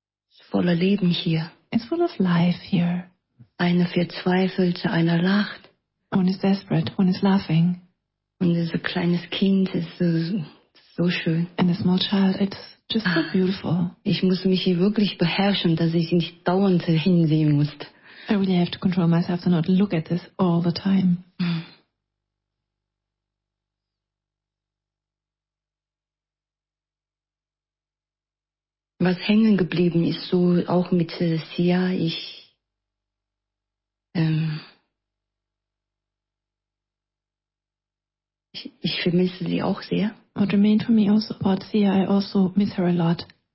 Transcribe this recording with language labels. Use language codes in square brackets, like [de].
[de] It's voller Leben hier. [en] It's full of life here. [de] Eine verzweifelte, einer lacht. [en] One is desperate. One is laughing. [de] Und so kleines Kind ist so, so schön. [en] And a small child, it's just so beautiful. [de] Ich muss mich hier wirklich beherrschen, dass ich nicht dauernd hinsehen muss. [en] I really have to control myself to not look at this all the time. [de] Was hängen geblieben ist, so auch mit Sia, ich ich vermisse sie auch sehr. [en] What remained for me also about Sia, I also miss her a lot.